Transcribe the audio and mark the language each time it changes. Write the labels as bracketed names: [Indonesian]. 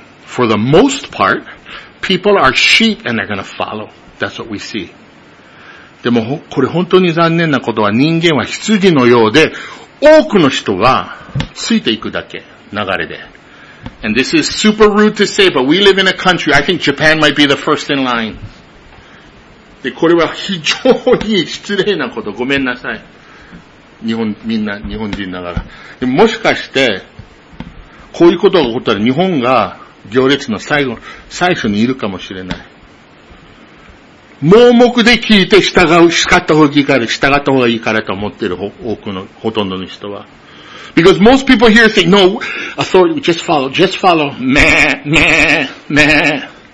[English] For the most part, people are sheep and they're gonna follow. That's what we see. [Japanese] でも、これ本当に残念なことは人間は羊のようで、多くの人はついていくだけ、流れで。 [English] And this is super rude to say, but we live in a country, I think Japan might be the first in line. [Japanese] で、これは非常に失礼なこと、ごめんなさい。日本人ながら。でもしかして、こういうことが起こったら日本が行列の最初にいるかもしれない。盲目で聞いて従う、従った方がいいからと思ってる多くの、ほとんどの人は。 [English] Because most people here think, no, authority, just follow, meh, meh, meh.